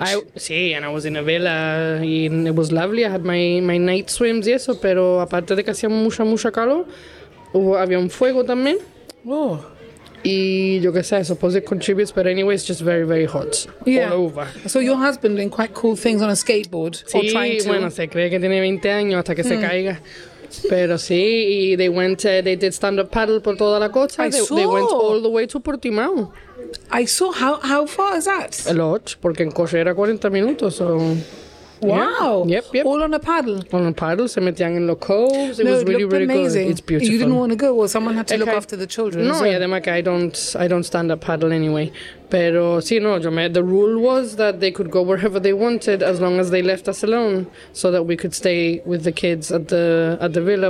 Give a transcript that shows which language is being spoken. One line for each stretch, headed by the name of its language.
English: And I was in a villa, and it was lovely. I had my night swims, yes,
Spanish: pero aparte de que hacía mucha calor, había un fuego también.
English: Oh.
Spanish: Y yo qué sé,
English: I suppose it contributes, but anyway, it's just very, very hot. Yeah. All over. So your husband doing quite cool things on a skateboard,
Spanish: sí,
English: or trying to?
Spanish: Bueno, se cree que tiene 20 años hasta que se caiga. Pero sí,
English: they went, they did stand-up paddle
Spanish: por toda la costa.
English: They went all the way to Portimão. I saw. How far is that? A lot,
Spanish: porque en coche era 40 minutos, so...
English: Wow! Yeah. Yep, yep. All on a paddle? On a paddle,
Spanish: se metían en los coves.
English: It was really, really amazing. Good. It's beautiful. You didn't want to go, well, someone had to look after the children. No, I don't stand-up paddle anyway.
Spanish: Pero sí, no,
English: the rule was that they could go wherever they wanted as long as they left us alone so that we could stay with the kids at the villa.